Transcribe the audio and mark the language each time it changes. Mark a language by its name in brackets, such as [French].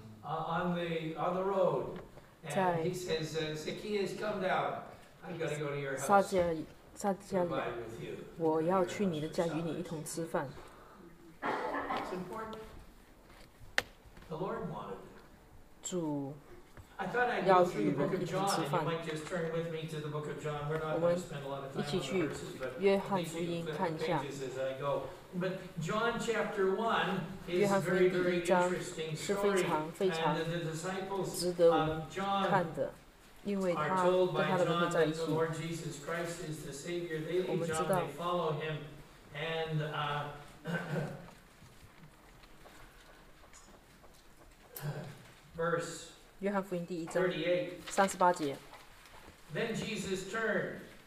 [English] On the road, and he says, "Zacchaeus, come down. I've got to go to your house. [Chinese] 撒加利亚，我要去你的家与你一同吃饭。 [English] It's important. The Lord wanted it. [Chinese] 主要与我们一起吃饭。我们一起去约翰福音看一下。 [English] But John chapter 1 is very, very interesting story, and the disciples of John are told by John that the Lord Jesus Christ is the Savior. They leave John, they follow him, and verse 38, then Jesus turned.